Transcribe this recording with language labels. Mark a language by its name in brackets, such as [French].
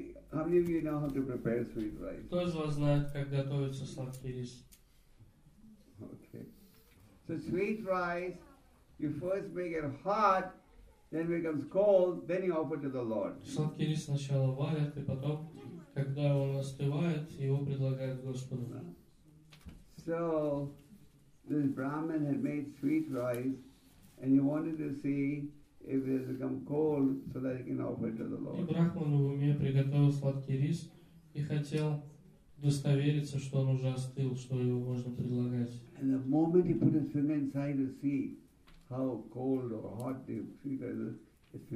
[English] How many of you know how to prepare sweet rice? [Russian] Кто из вас знает, как готовится сладкий рис? [English] Okay. So sweet rice, you first make it hot, then becomes cold, then you offer to the Lord. [Russian] Сладкий рис сначала варят, и потом, когда он остывает, его предлагают Господу. [English] So this Brahmin had made sweet rice, and he wanted to see if it has become cold, so that he can offer it to the Lord. [Russian] И брахман в уме приготовил сладкий рис и хотел удостовериться, что он уже остыл, что его можно предлагать. [English] And the moment he put his finger inside to see how cold or hot the sweet rice is,